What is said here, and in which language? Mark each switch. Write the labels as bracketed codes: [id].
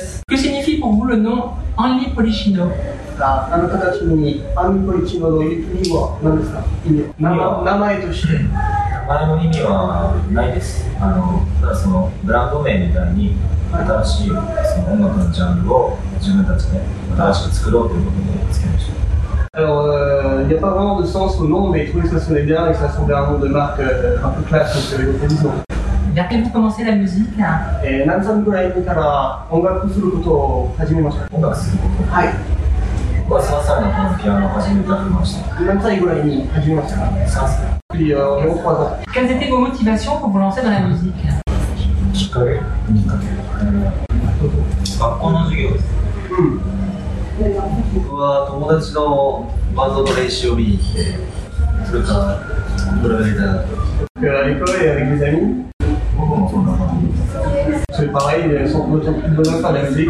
[fr] Que signifie pour vous le nom Only Polichino ? [ja] あなたたちにアンポリチノの意味は何ですか？名前として名前の意味はないです。ただそのブランド名みたいに新しいその音楽のジャンルを自分たちで新しく作ろうということでつけました。 [fr] Alors, il n'y a pas vraiment de sens au nom, mais trouvez que ça sonnait bien et que ça sonnait un nom de marque un peu classe, donc c'est l'autre disons. Vers quel vous commencez la musique là ? [ja] 何歳ぐらいから音楽することを始めました？音楽すること？はい。僕は3歳のこのピアノを始めて始めました。何歳ぐらいに始めましたか？ 3歳。 [fr] Puis, mon trois ans. Quelles étaient vos motivations pour vous lancer dans la musique ? [ja] きっかけ？きっかけ。学校の授業です。うん。僕は友達のバンドの練習を見に来て、それからプライベートだった。 [fr] Et à l'école et avec mes amis? C'est pareil, ils sont plus ou moins dans la musique.